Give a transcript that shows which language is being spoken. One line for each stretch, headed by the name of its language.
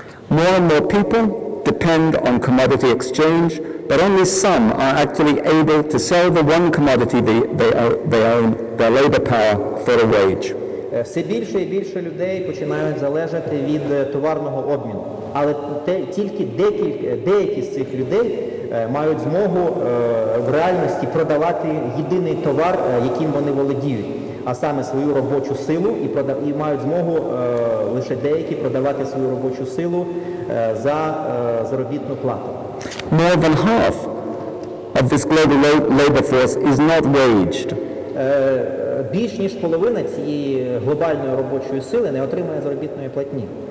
English: More and more people depend on commodity exchange, but only some are actually able to sell the one commodity they own, their labor power, for a wage.
Ukrainian: Все більше і більше людей починають залежати від товарного обміну, але тільки деякі з цих людей мають змогу в реальності продавати єдиний товар, яким вони володіють, а саме свою робочу силу, і мають змогу лише деякі продавати свою робочу силу за заробітну плату.
English: More than half of this global labor force is not waged.
Ukrainian: Більш ніж половина цієї глобальної робочої сили не отримує заробітної платні.